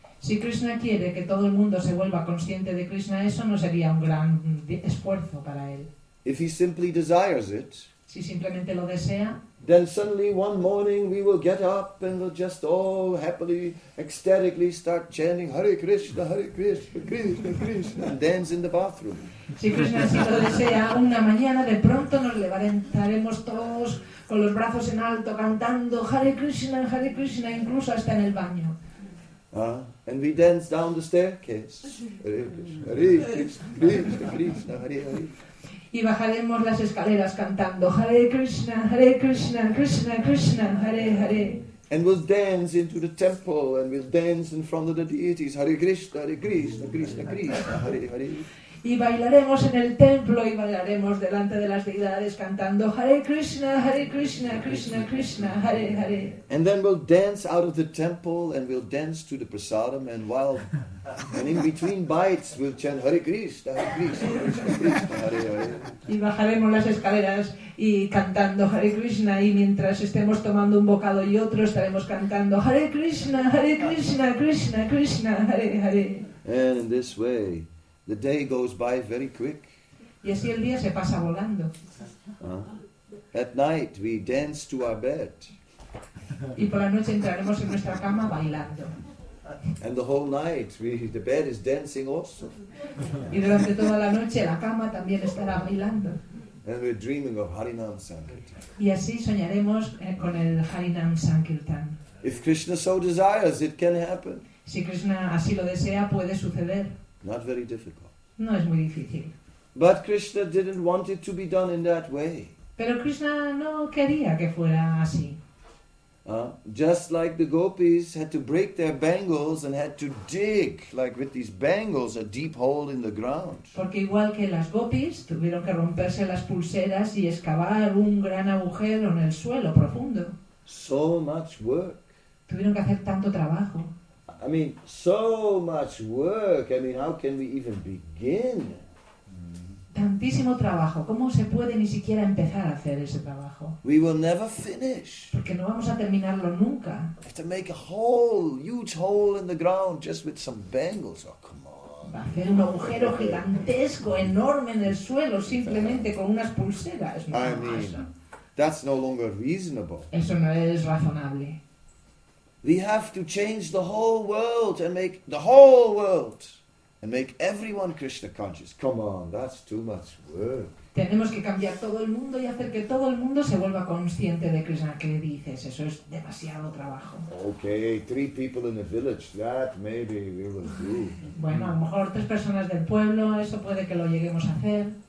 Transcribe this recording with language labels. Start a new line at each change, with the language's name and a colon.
Spanish: Si Krishna quiere que todo el mundo se vuelva consciente de Krishna, eso no sería un gran esfuerzo para él.
English: If he simply desires it,
Spanish: si simplemente lo desea,
English: then suddenly one morning we will get up and we'll just all happily, ecstatically start chanting Hare Krishna, Krishna, Krishna, and dance in the bathroom.
Spanish: Si Krishna así lo desea, una mañana de pronto nos levantaremos todos con los brazos en alto cantando Hare Krishna, incluso hasta en el baño.
English: And we dance down the staircase. Hare Krishna, Hare Krishna, Hare Hare.
Spanish: Y bajaremos las escaleras cantando Hare Krishna, Krishna, Krishna, Hare Hare.
English: And we'll dance into the temple and we'll dance in front of the deities.
Sanskrit: Hare Krishna, Krishna, Krishna, Hare Hare.
Spanish: Y bailaremos en el templo y bailaremos delante de las deidades cantando Hare Krishna, Krishna, Krishna, Hare Hare.
English: And then we'll dance out of the temple and we'll dance to the prasadam and and in between bites we'll chant Hare Krishna, Krishna, Krishna, Hare Hare.
Spanish: Y bajaremos las escaleras y cantando Hare Krishna y mientras estemos tomando un bocado y otro estaremos cantando Hare Krishna, Krishna, Krishna, Hare Hare.
English: And in this way, the day goes by very quick.
Spanish: Y así el día se pasa volando.
English: At night we dance to our bed.
Spanish: Y por la noche entraremos en nuestra cama bailando.
English: And the whole night, the bed is dancing also.
Spanish: Y durante toda la noche la cama también estará bailando.
English: And we're dreaming of Harinam Sankirtan.
Spanish: Y así soñaremos con el Harinam Sankirtan.
English: If Krishna so desires, it can happen.
Spanish: Si Krishna así lo desea, puede suceder.
English: Not very difficult.
Spanish: No es muy difícil.
English: But Krishna didn't want it to be done in that way.
Spanish: Pero Krishna no quería que fuera así.
English: Just like the gopis had to break their bangles and had to dig, like with these bangles, a deep hole in the ground.
Spanish: Porque igual que las gopis tuvieron que romperse las pulseras y excavar un gran agujero en el suelo profundo.
English: So much work.
Spanish: Tuvieron que hacer tanto trabajo.
English: I mean, so much work. I mean, how can we even begin?
Spanish: Tantísimo trabajo. ¿Cómo se puede ni siquiera empezar a hacer ese trabajo?
English: We will never finish.
Spanish: Porque no vamos a terminarlo nunca.
English: We have to make a hole, huge hole in the ground just with some bangles. Oh, come on.
Spanish: Va a hacer un agujero gigantesco, enorme en el suelo simplemente con unas pulseras.
English: No, I mean, that's no longer reasonable.
Spanish: Eso no es razonable.
English: We have to change the whole world and make the whole world and make everyone Krishna conscious. Come on, that's too much work.
Spanish: Tenemos que cambiar todo el mundo y hacer que todo el mundo se vuelva consciente de Krishna. ¿Qué dices? Eso es demasiado trabajo.
English: Okay, 3 people in the village, that maybe we will do.
Spanish: Bueno, a lo mejor 3 personas del pueblo, eso puede que lo lleguemos a hacer.